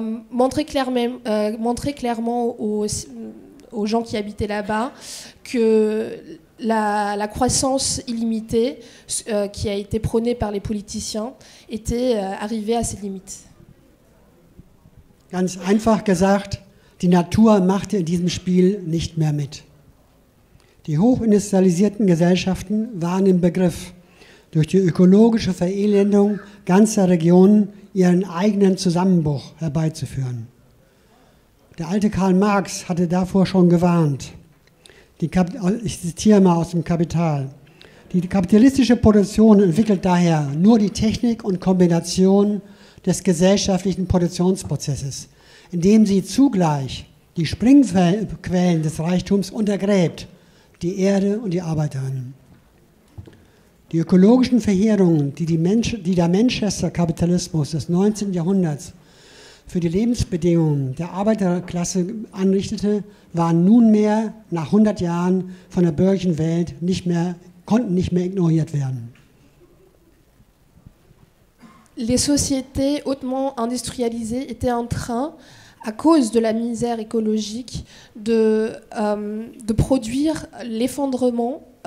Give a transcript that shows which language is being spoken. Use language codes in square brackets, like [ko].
[fr] Montrer clairement aux gens qui habitaient là-bas que la croissance illimitée qui a été prônée par les politiciens était arrivée à ses limites. [de] Ganz einfach gesagt, die Natur machte in diesem Spiel nicht mehr mit. Die hochindustrialisierten Gesellschaften waren im Begriff, durch die ökologische Verelendung ganzer Regionen ihren eigenen Zusammenbruch herbeizuführen. Der alte Karl Marx hatte davor schon gewarnt. Ich zitiere mal aus dem Kapital. Die kapitalistische Produktion entwickelt daher nur die Technik und Kombination des gesellschaftlichen Produktionsprozesses, indem sie zugleich die Springquellen des Reichtums untergräbt, die Erde und die Arbeiterinnen. Die ökologischen Verheerungen, die der Manchester-Kapitalismus des 19. Jahrhunderts für die Lebensbedingungen der Arbeiterklasse anrichtete, waren nunmehr nach 100 Jahren von der bürgerlichen Welt konnten nicht mehr ignoriert werden. [fr] Les sociétés hautement industrialisées étaient en train, à cause de la misère écologique, de produire l'effondrement.